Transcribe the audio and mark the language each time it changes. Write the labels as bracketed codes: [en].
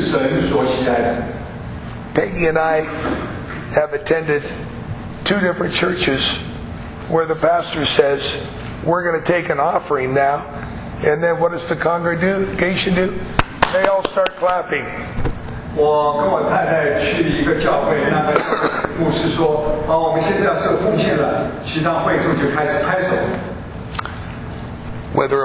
[zh] 第九章第七节这样说，个人要随本心所着定的，不要作难，不要勉强，因为乐的捐的乐意的是神所喜爱的。Peggy [en] and I have attended two different churches where the pastor says, we're going to take an offering now, and then what does the congregation do? They all start clapping. [zh] 我跟我太太去一个教会，那个牧师说，我们现在要设奉献了，其他会众就开始拍手。Whether